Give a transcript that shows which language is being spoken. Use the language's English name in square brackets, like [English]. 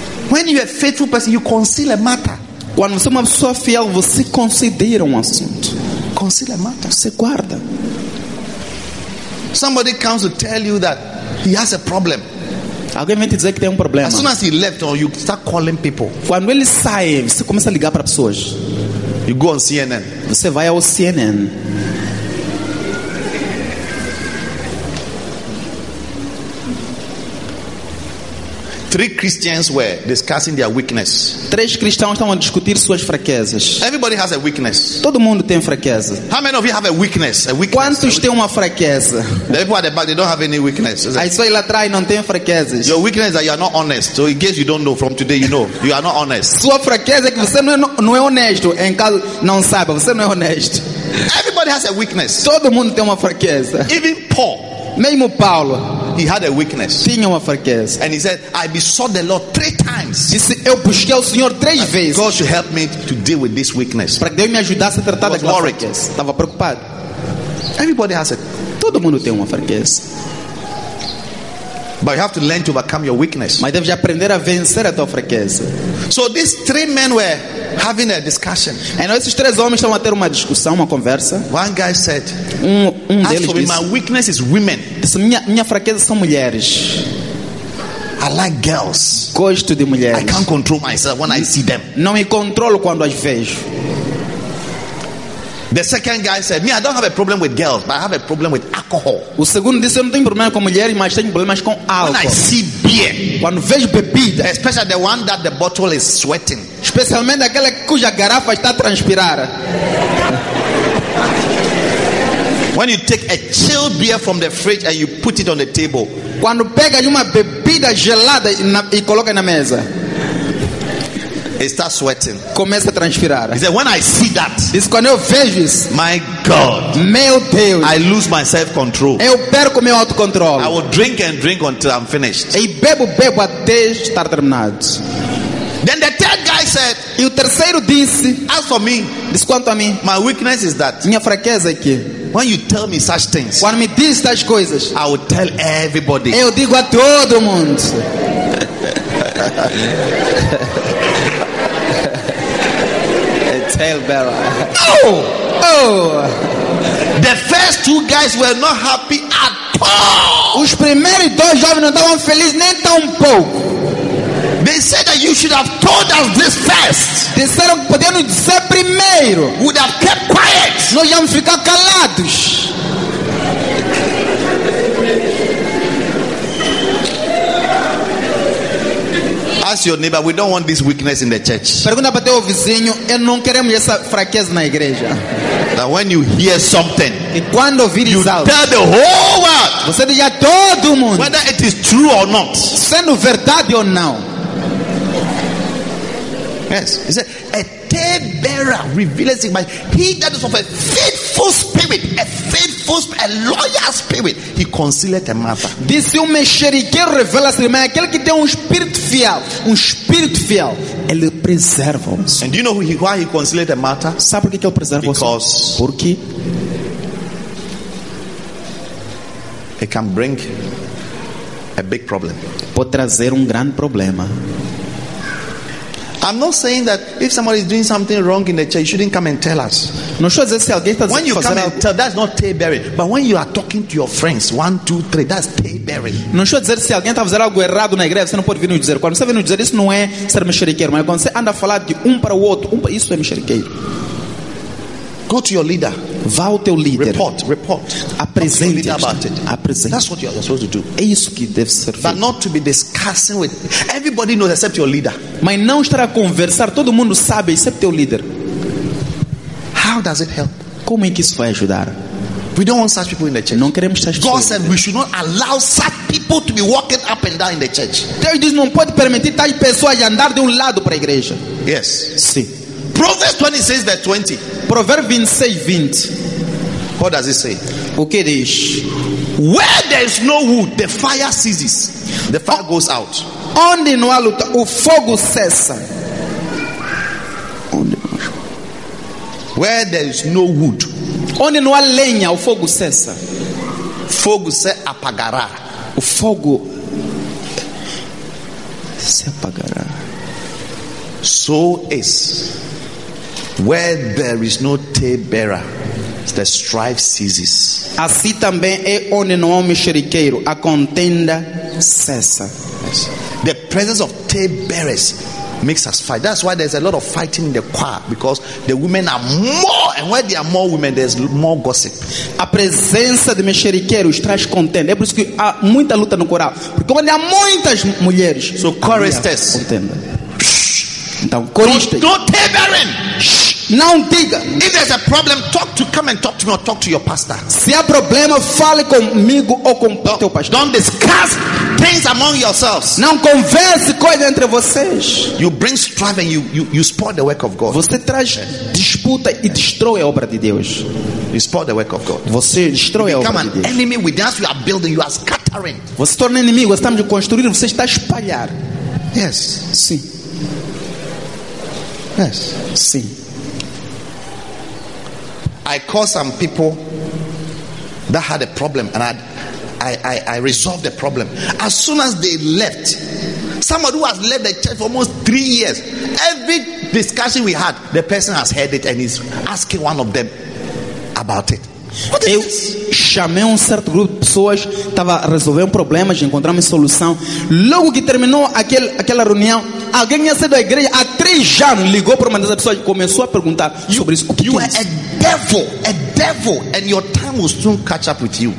[English] When you are a faithful person, you conceal a matter. [Portuguese] Quando você é uma pessoa fiel, você considera um assunto. [English] Conceal a matter. [Portuguese] Você guarda. [English] Somebody comes to tell you that he has a problem. [Portuguese] Alguém vem te dizer que tem problema. [English] As soon as he left, you start calling people. [Portuguese] Quando ele sai, você começa a ligar para pessoas. [English] You go on CNN. [Portuguese] Você vai ao CNN. [English] Three Christians were discussing their weakness. [Portuguese] Três cristãos estavam a discutir suas fraquezas. [English] Everybody has a weakness. [Portuguese] Todo mundo tem fraqueza. [English] How many of you have a weakness? A weakness. [Portuguese] Quantos têm uma fraqueza? [English] The people at the back, they don't have any weakness. [Portuguese] Aí só lá atrás não tem fraquezas. [English] Your weakness is that you are not honest. So in case you don't know, from today you know you are not honest. [Portuguese] Sua fraqueza é que você não é honesto. Em caso não saiba, você não é honesto. [English] Everybody has a weakness. [Portuguese] Todo mundo tem uma fraqueza. [English] Even Paul. [Portuguese] Mesmo Paulo, [English] he had a weakness. [Portuguese] Tinha uma fraqueza. [English] And he said, I besought the Lord 3 times. [Portuguese] Disse, eu busquei o Senhor 3 vezes. [English] God should help me to deal with this weakness. [Portuguese] Para que Deus me ajudasse a tratar daquela fraqueza. Estava preocupado. [English] Everybody has a [Portuguese] Todo mundo tem uma fraqueza. [English] But you have to learn to overcome your weakness. [Portuguese] Mas deve aprender a vencer a tua fraqueza. [English] So these three men were having a discussion. [Portuguese] Então esses três homens estavam a ter uma discussão, uma conversa. [English] One guy said, [Portuguese] deles disse, [English] my weakness is women. [Portuguese] Minha fraqueza são mulheres. [English] I like girls. [Portuguese] Gosto de mulheres. [English] I can't control myself when I see them. [Portuguese] Não me controlo quando as vejo. [English] The second guy said, me, I don't have a problem with girls, but I have a problem with alcohol. [Portuguese] O segundo disse, eu não tenho problema com mulheres, mas tenho problemas com álcool. [English] When I see beer, [Portuguese] quando vejo bebida, [English] especially the one that the bottle is sweating, [Portuguese] especialmente aquela cuja garrafa está a transpirar. [English] When you take a chilled beer from the fridge and you put it on the table, [Portuguese] quando pega uma bebida gelada e coloca na mesa, [English] it starts sweating. [Portuguese] Começa a transpirar. [English] He said, when I see that, [Portuguese] diz, quando eu vejo isso, [English] my God, [Portuguese] meu Deus, [English] I lose my self-control. [Portuguese] Eu perco meu autocontrole. [English] I will drink and drink until I'm finished. [Portuguese] E bebo até estar terminado. [English] Then the third guy said, [Portuguese] e o terceiro disse, [English] as for me, [Portuguese] diz, quanto a mim, [English] my weakness is that, [Portuguese] minha fraqueza é que, [English] when you tell me such things, [Portuguese] quando me diz tais coisas, [English] I will tell everybody. [Portuguese] Eu digo a todo mundo. [English] No! [Portuguese] Oh! [English] The first two guys were not happy at all. [Portuguese] Os primeiros dois jovens não estavam felizes nem tão pouco. [English] They said that you should have told us this first. [Portuguese] Disseram que poderiam nos dizer primeiro. [English] Would have kept quiet. [Portuguese] Nós íamos ficar calados. [English] Ask your neighbor, we don't want this weakness in the church. [Portuguese] Pergunta para teu vizinho, eu não queremos essa fraqueza na igreja. [English] That when you hear something, [Portuguese] e quando ouvires [English] you [Portuguese] algo, [English] tell the whole world, [Portuguese] você diz a todo mundo, [English] whether it is true or not, [Portuguese] sendo verdade ou não. [English] Yes, he said, a tale bearer reveals it, but he that is of a faithful spirit, a loyal spirit, he concealed a matter. [Portuguese] Disse um mexeriqueiro, revela-se, mas aquele que tem um espírito fiel, ele preserva. [English] And do you know why he concealed a matter? [Portuguese] Sabe por que ele preserva? [English] Because [Portuguese] porque [English] it can bring a big problem. [Portuguese] Pode trazer grande problema. [English] I'm not saying that if somebody is doing something wrong in the church, you shouldn't come and tell us. [Portuguese] Não estou a dizer se alguém está fazendo. [English] When you come and tell, that's not tale bearing. But when you are talking to your friends, 1, 2, 3, that's tale bearing. [Portuguese] Não estou a dizer se alguém está fazendo algo errado na igreja, você não pode vir nos dizer. Quando você vem nos dizer, isso não é ser mexeriqueiro. Mas quando você anda a falar de para o outro, isso é mexeriqueiro. [English] Go to your leader. [Portuguese] Vá ao teu líder. [English] Report. [Portuguese] Apresente. Apresente. [English] That's what you are supposed to do. [Portuguese] É isso que deve ser feito. [English] But not to be discussing with everybody knows except your leader. [Portuguese] Mas não estar a conversar, todo mundo sabe, except teu líder. [English] How does it help? [Portuguese] Como é que isso vai ajudar? [English] We don't want such people in the church. [Portuguese] Não queremos tais pessoas. [English] God said we should not allow such people to be walking up and down in the church. [Portuguese] Deus diz, não pode permitir tais pessoas andar de lado para a igreja. [English] Yes. [Portuguese] Sim. [English] Proverbs 26 verse 20. Proverbs 26 20. What does it say? [Portuguese] Okay, diz. [English] Where there is no wood, the fire ceases. The fire goes out. [Portuguese] Onde não há luta, o fogo cessa. [English] Where there is no wood, [Portuguese] onde não há lenha, o fogo cessa. Fogo se apagará. O fogo se apagará. [English] So is. Where there is no tale bearer, the strife ceases. [Portuguese] Assim também é onde não há mexeriqueiro, a contenda cessa. [English] Yes. The presence of tale bearers makes us fight. That's why there's a lot of fighting in the choir, because the women are more, and where there are more women, there's more gossip. [Portuguese] A presença de mexeriqueiros traz contenda. É por isso que há muita luta no coral, porque onde há muitas mulheres, [English] so choristers, [Portuguese] contenda. Então, coriste. [English] Don't tale bearing. [Portuguese] Não diga. [English] If there's a problem, talk to come and talk to me or talk to your pastor. [Portuguese] Se há problema, fale comigo ou com o teu pastor. [English] Don't discuss things among yourselves. [Portuguese] Não converse coisas entre vocês. [English] You bring strife and you spoil the work of God. [Portuguese] Você traz disputa e destrói a obra de Deus. [English] You spoil the work of God. [Portuguese] Você destrói a obra de Deus. [English] You become an enemy with us. You are building. You are scattering. [Portuguese] Você torna inimigo. Estamos a construir. Você está a espalhar. [English] Yes. [Portuguese] Sim. [English] Yes. [Portuguese] Sim. [English] I call some people that had a problem, and I resolved the problem. As soon as they left, somebody who has left the church for almost 3 years, every discussion we had, the person has heard it and is asking one of them about it. [Portuguese] Eu chamei certo grupo de pessoas, estava a resolver problemas, encontrar uma solução. Logo que terminou aquela reunião, alguém ia sair da igreja há 3 anos, ligou para uma dessas pessoas e começou a perguntar sobre isso. [English] You are a devil, and your time will soon catch up with you.